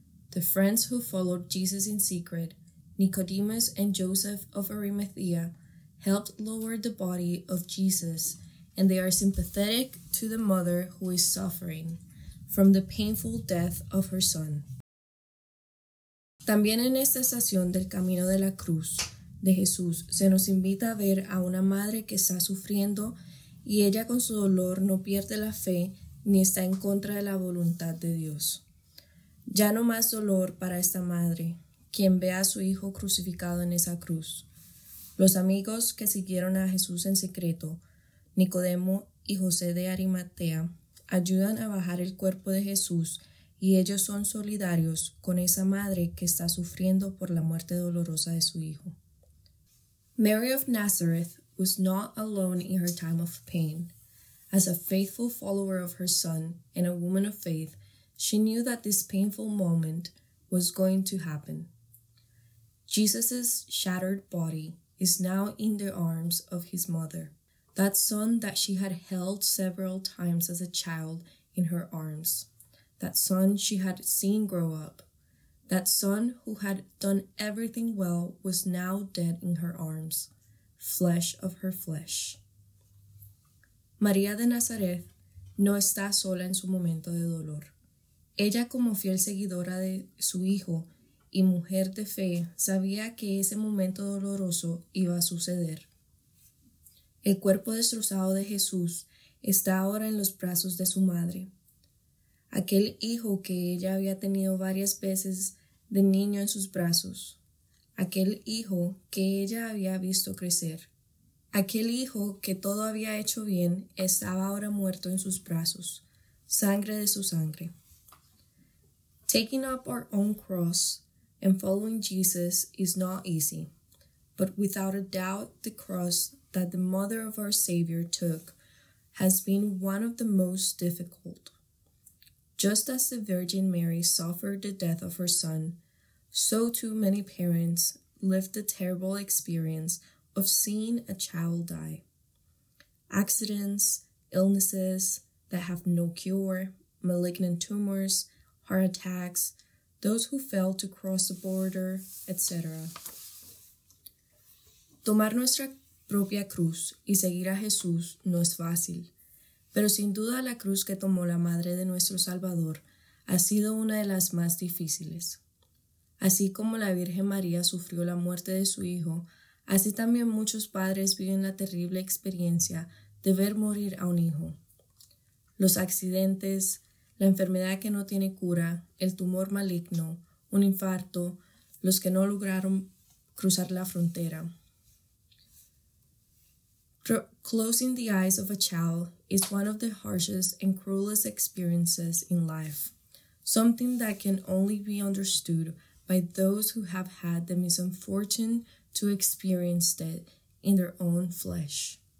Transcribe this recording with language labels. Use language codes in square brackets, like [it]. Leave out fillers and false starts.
[en] The friends who followed Jesus in secret, Nicodemus and Joseph of Arimathea, helped lower the body of Jesus, and they are sympathetic to the mother who is suffering from the painful death of her son. [es] También en esta estación del Camino de la Cruz de Jesús se nos invita a ver a una madre que está sufriendo y ella con su dolor no pierde la fe ni está en contra de la voluntad de Dios. Ya no más dolor para esta madre, quien ve a su hijo crucificado en esa cruz. Los amigos que siguieron a Jesús en secreto, Nicodemo y José de Arimatea, ayudan a bajar el cuerpo de Jesús y ellos son solidarios con esa madre que está sufriendo por la muerte dolorosa de su hijo. [en] Mary of Nazareth was not alone in her time of pain. As a faithful follower of her son and a woman of faith, she knew that this painful moment was going to happen. Jesus's shattered body is now in the arms of his mother. That son that she had held several times as a child in her arms. That son she had seen grow up. That son who had done everything well was now dead in her arms, flesh of her flesh. [es] María de Nazaret no está sola en su momento de dolor. Ella, como fiel seguidora de su hijo y mujer de fe, sabía que ese momento doloroso iba a suceder. El cuerpo destrozado de Jesús está ahora en los brazos de su madre. Aquel hijo que ella había tenido varias veces de niño en sus brazos. Aquel hijo que ella había visto crecer. Aquel hijo que todo había hecho bien estaba ahora muerto en sus brazos. Sangre de su sangre. [en] Taking up our own cross and following Jesus is not easy. But without a doubt, the cross that the mother of our Savior took has been one of the most difficult. Just as the Virgin Mary suffered the death of her son, so too many parents lived the terrible experience of seeing a child die. accidents, illnesses that have no cure, malignant tumors, heart attacks, those who fail to cross the border, etc. [es] Tomar nuestra propia cruz y seguir a Jesús no es fácil, pero sin duda la cruz que tomó la madre de nuestro Salvador ha sido una de las más difíciles. Así como la Virgen María sufrió la muerte de su hijo, así también muchos padres viven la terrible experiencia de ver morir a un hijo. Los accidentes, la enfermedad que no tiene cura, el tumor maligno, un infarto, los que no lograron cruzar la frontera. [en] Closing the eyes of a child is one of the harshest and cruelest experiences in life, something that can only be understood by those who have had the misfortune to experience it in their own flesh.